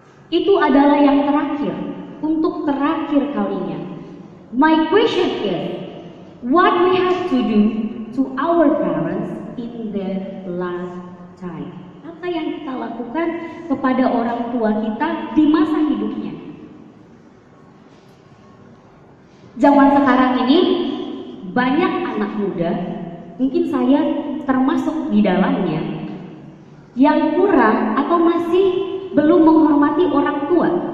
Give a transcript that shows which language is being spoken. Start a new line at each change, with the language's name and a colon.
Indonesian: Itu adalah yang terakhir, untuk terakhir kalinya.
English: My question is, what we have to do to our parents in their last time?
Indonesian: Apa yang kita lakukan kepada orang tua kita di masa hidupnya? Zaman sekarang ini, banyak anak muda, mungkin saya termasuk di dalamnya, yang kurang atau masih belum menghormati orang tua.